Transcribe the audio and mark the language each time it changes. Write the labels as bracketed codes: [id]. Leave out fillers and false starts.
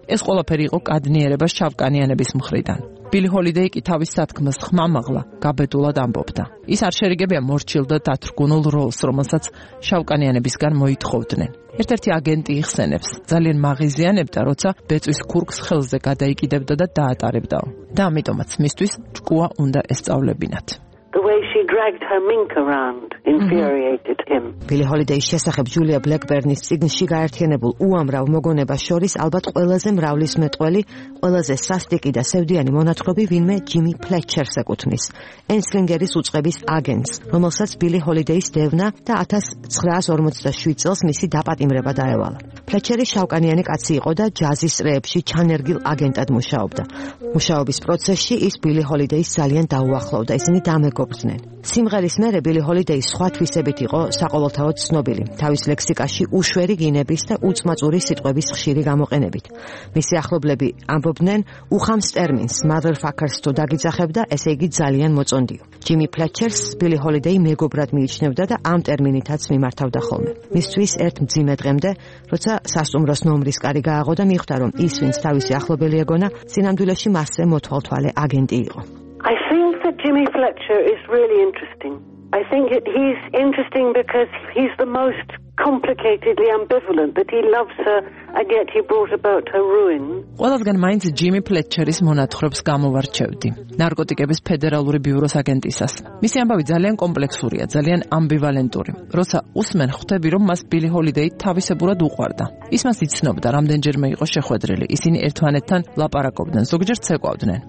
[ka] ეს ყველაფერი იყო კადნიერება შავკანიანების მხრიდან. ბილი ჰოლიდეი კი თავის სათქმელს ხმამაღლა, გაბედულად ამბობდა. ის არ შერიგებია მორჩილ და დათრგუნულ როლს, რომელსაც შავკანიანებისგან მოითხოვდნენ. ერთ-ერთი აგენტი იხსენებს, ძალიან მაღიზიანებდა, როცა ბეწვის ქურქს ხელზე გადაიკიდებდა და დაატარებდა. და ამიტომაც მისთვის ჭკუა უნდა ესწავლებინათ. [en] The way she dragged her mink around infuriated him. [ka] ბილი ჰოლიდეის შესახებ ჯულია ბლეკბერნის წიგნში გაერთიანებულ უამრავ მოგონებას შორის ალბათ ყველაზე მრავლისმეტყველი, ყველაზე სასტიკი და სევდიანი მონათხრობი ვინმე ჯიმი ფლეტჩერს ეკუთვნის, ენსლინგერის უწყების აგენტს, რომელსაც ბილი ჰოლიდეის დევნა და 1947 წელს მისი დაპატიმრება დაევალა. ფლეტჩერი შავკანიანი კაცი იყო და ჯაზის რეებში ჩანერგილ აგენტად მუშაობდა. მუშაობის პროცესში ის ბილი ჰოლიდეის ძალიან დაუახლოვდა, ისინი დამეგობრდნენ. სიმღერის მერე ბილი ჰოლიდეი სხვა თვისებით იყო საყოველთაოდ ცნობილი, თავის ლექსიკაში უშვერი გინების და უწმაწური სიტყვების ხშირი გამოყენებით. მისი ახლობლები ამბობდნენ: უხამს ტერმინს motherfuckers თუ დაგიძახებ და ესე იგი ძალიან მოწონდიო. ჯიმი ფლეტჩერს ბილი ჰოლიდეი მეგობრად მიიჩნევდა და ამ ტერმინითაც მიმართავდა ხოლმე. მისთვის ერთ მძიმე დღემდე, როცა სასტუმროს ნომრის კარი გააღო და მიხვდა, რომ ის, ვინც თავისი ახლობელი ეგონა, სინამდვილეში მასზე მოთვალთვალე აგენტი იყო. [en] I think that Jimmy Fletcher is really interesting. I think he's interesting because he's the most complicatedly ambivalent, that he loves her and yet he brought about her ruin. [ka] ყველასგან მაინც ჯიმი ფლეტჩერის მონათხრობს გამოვარჩევდი, ნარკოტიკების ფედერალური ბიუროს აგენტისას. მისი ამბავი ძალიან კომპლექსურია, ძალიან ამბივალენტური. როცა უსმენ, ხვდები, რომ მას ბილი ჰოლიდეი თავისებურად უყვარდა. ის მას იცნობდა, რამდენჯერმე იყო შეხვედრილი, ისინი ერთმანეთთან ლაპარაკობდნენ, ზოგჯერ ცეკვავდნენ.